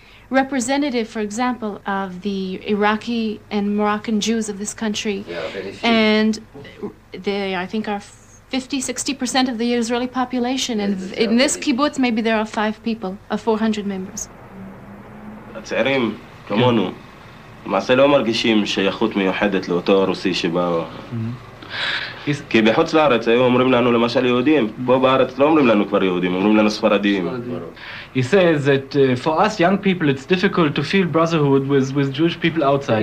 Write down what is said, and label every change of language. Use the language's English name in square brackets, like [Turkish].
[English] Representative, for example, of the Iraqi and Moroccan Jews of this country. And they, I think, are 50-60% of the Israeli population, and in this kibbutz maybe there are 5 people of 400 members. [Hebrew] הצעירים כמונו למעשה לא מרגישים שייכות מיוחדת לאותו רוסי שבאו. כי בחוץ לארץ היו אומרים לנו למשל יהודים, פה בארץ לא אומרים לנו כבר יהודים, אומרים לנו ספרדים. [English] He says that for us young people it's difficult to feel brotherhood with Jewish people outside.